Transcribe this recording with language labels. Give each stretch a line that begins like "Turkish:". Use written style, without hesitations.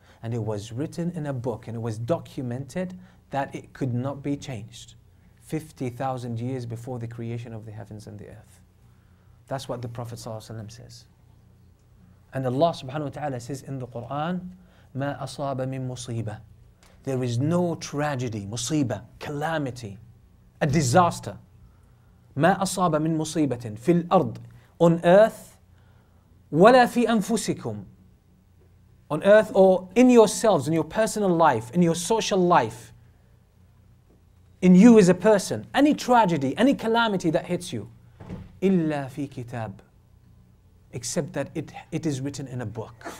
English: And it was written in a book and it was documented that it could not be changed 50,000 years before the creation of the heavens and the earth. That's what the Prophet ﷺ says. And Allah subhanahu wa ta'ala says in the Quran,
Arabic: مَا أَصَابَ مِن مُصِيبَةٍ.
English: There is no tragedy, musibah, calamity, a disaster.
Arabic: مَا أَصَابَ مِن مُصِيبَةٍ فِي الْأَرْضِ.
English: On earth,
Arabic: وَلَا فِي أَنفُسِكُمْ.
English: On earth or in yourselves, in your personal life, in your social life, in you as a person, any tragedy, any calamity that hits you,
Arabic: إِلَّا فِي كِتَابٍ,
English: except that it is written in a book.